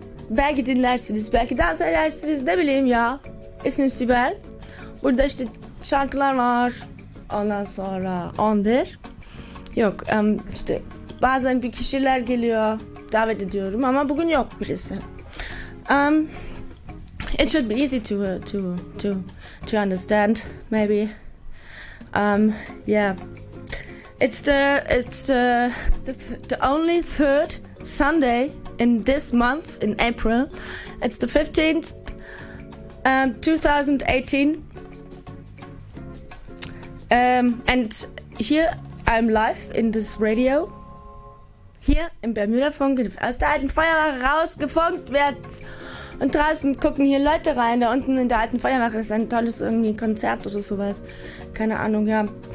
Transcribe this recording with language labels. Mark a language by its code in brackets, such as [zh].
[tr] Belki dinlersiniz, belki dans edersiniz. Ne bileyim ya. İsmim Sibel. Burada işte şarkılar var. Ondan sonra Onder. Yok, işte bazen bir kişiler geliyor. Davet ediyorum ama bugün yok birisi. [en] It should be easy to understand, maybe. Yeah. It's the only third Sunday in this month, in April. It's the 15th, 2018. And here I'm live in this radio. [de] Hier im Bermuda-Funk, aus der alten Feuerwache rausgefunkt wird. Und draußen gucken hier Leute rein. Da unten in der alten Feuerwache ist ein tolles irgendwie Konzert oder sowas. Keine Ahnung, ja.